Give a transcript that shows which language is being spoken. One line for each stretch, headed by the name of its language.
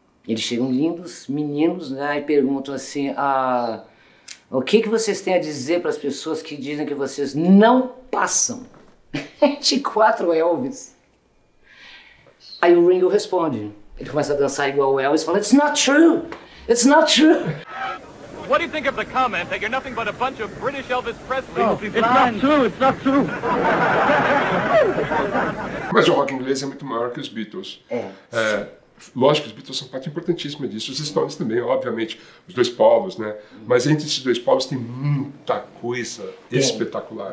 Portuguese: Eles chegam lindos, meninos, né, e perguntam assim, o que que vocês têm a dizer para as pessoas que dizem que vocês não passam de quatro Elvis? Aí o Ringo responde. Ele começa a dançar igual o Elvis, falando,
English: it's not true! It's not true! What do you think of the comment that you're nothing but a bunch of British Elvis Presley? Oh, it's not true, it's not true!
Portuguese: Mas o rock inglês é muito maior que os Beatles. É. Lógico, os Beatles são parte importantíssima disso, os Stones também, obviamente, os dois polos, né? Mas entre esses dois polos tem muita coisa espetacular.